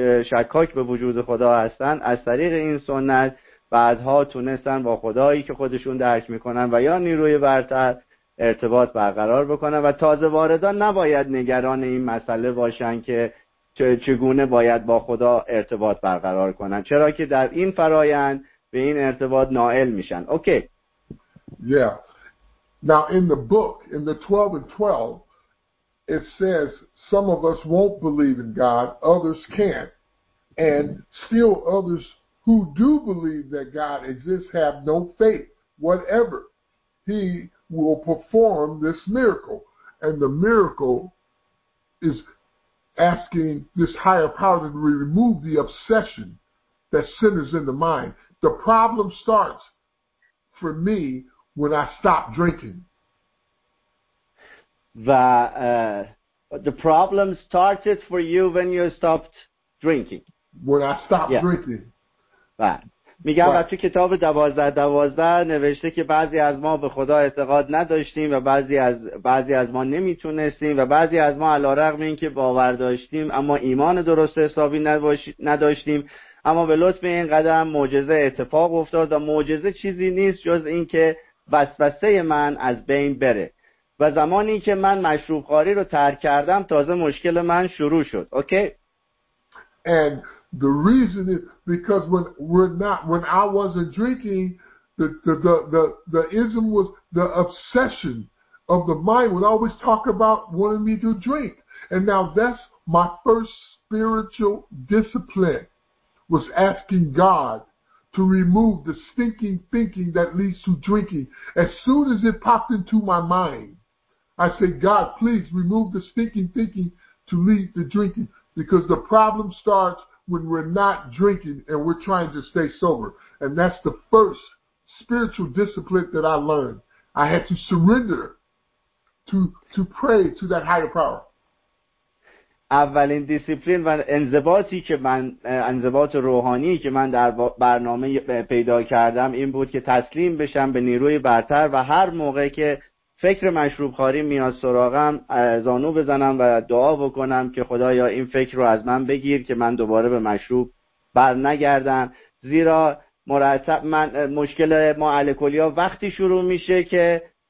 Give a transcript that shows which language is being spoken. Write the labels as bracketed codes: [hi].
[fa] شکاک به وجود خدا هستن از طریق این سنت بعدها تونستن با خدایی که خودشون درک میکنن و یا نیروی برتر ارتباط برقرار بکنن و تازه واردان نباید نگران این مسئله باشن که چگونه باید با خدا ارتباط برقرار کنن، چرا که در این فرایند به این ارتباط نائل میشن. [en] Okay. Yeah. Now in the book, in the 12 and 12, it says some of us won't believe in God, others can. And still others who do believe that God exists have no faith whatever. He will perform this miracle. And the miracle is asking this higher power to remove the obsession that centers in the mind. The problem starts for me when I stop drinking. The problem started for you when you stopped drinking. When I stopped drinking. [fa] میگم و تو کتاب 12-12 نوشته که بعضی از ما به خدا اعتقاد نداشتیم و بعضی از ما نمیتونستیم و بعضی از ما علارغم این که باور داشتیم اما ایمان درست حسابی نداشتیم، اما به لطف این قدم معجزه اتفاق افتاد و معجزه چیزی نیست جز این که وسوسه من از بین بره و زمانی که من مشروب خواری رو ترک کردم تازه مشکل من شروع شد. [en] Okay. The reason is because when I wasn't drinking, the ism was the obsession of the mind would always talk about wanting me to drink. And now that's my first spiritual discipline, was asking God to remove the stinking thinking that leads to drinking. As soon as it popped into my mind, I said, God, please remove the stinking thinking to lead to drinking, because the problem starts when we're not drinking and we're trying to stay sober. And that's the first spiritual discipline that I learned. I had to surrender to pray to that higher power. [fa] اولین دیسیپلین و انضباطی که من انضباط روحانی که من در برنامه پیدا کردم این بود که تسلیم بشم به نیروی برتر و هر موقع که فکر مشروب خواری میاد سراغم زانو بزنم و دعا بکنم که خدایا این فکر رو از من بگیر که من دوباره به مشروب بر نگردم، زیرا مرتب من مشکل ما الکلی‌ها وقتی شروع میشه که